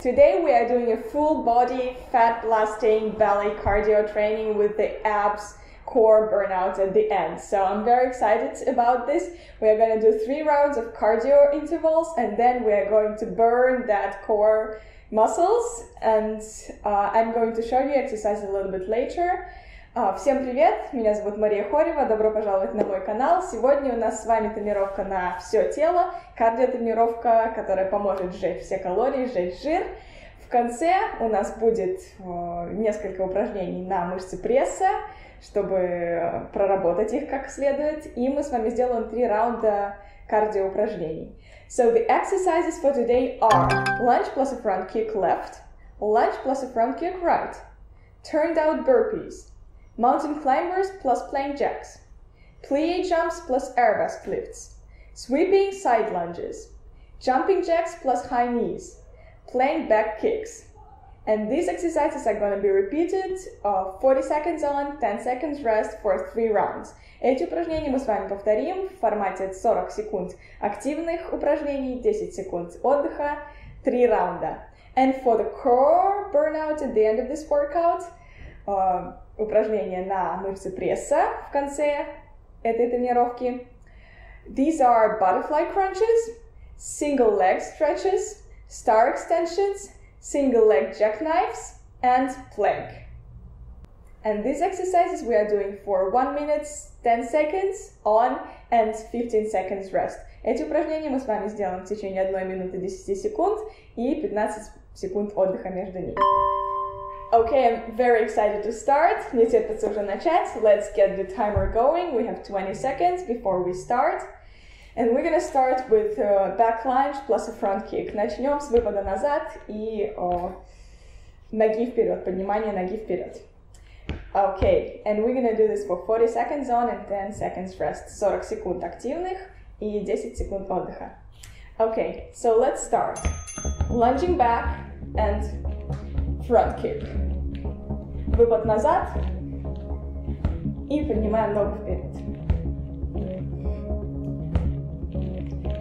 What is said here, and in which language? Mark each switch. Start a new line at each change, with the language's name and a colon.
English: Today we are doing a full body fat blasting ballet cardio training with the abs core burnouts at the end. So I'm very excited about this. We are going to do 3 rounds of cardio intervals and then we are going to burn that core muscles, and I'm going to show you exercise a little bit later.
Russian: Всем привет! Меня зовут Мария Хорева. Добро пожаловать на мой канал. Сегодня у нас с вами тренировка на все тело. Кардио-тренировка, которая поможет сжечь все калории, сжечь жир. В конце у нас будет несколько упражнений на мышцы пресса, чтобы проработать их как следует. И мы с вами сделаем 3 раунда кардио-упражнений.
English: So the exercises for today are lunge plus a front kick left, lunge plus a front kick right, turned out burpees, mountain climbers plus plank jacks, plie jumps plus arabesque lifts, sweeping side lunges, jumping jacks plus high knees, plank back kicks. And these exercises are going to be repeated 40 seconds on, 10 seconds rest for 3 rounds.
Russian: Эти упражнения мы с вами повторим в формате 40 секунд активных упражнений, 10 секунд отдыха, 3 раунда.
English: And for the core burnout at the end of this workout,
Russian: упражнения на мышцы пресса в конце этой тренировки.
English: These are butterfly crunches, single leg stretches, star extensions, single leg jackknives, and plank. And these exercises we are doing for 1 minute, 10 seconds on, and 15 seconds rest.
Russian: Эти упражнения мы с вами сделаем в течение 1 минуты 10 секунд и 15 секунд отдыха между ними.
English: Okay, I'm very excited to start.
Russian: Не терпится уже начать.
English: Let's get the timer going. We have 20 seconds before we start. And we're gonna start with a back lunge plus a front kick.
Russian: Начнем с выпада назад и ноги вперед, поднимание ноги вперед.
English: Okay, and we're gonna do this for 40 seconds on and 10 seconds rest.
Russian: 40 секунд активных и 10 секунд отдыха.
English: Okay, so let's start. Lunging back and front kick.
Russian: Выпад назад и поднимаем ногу вперед.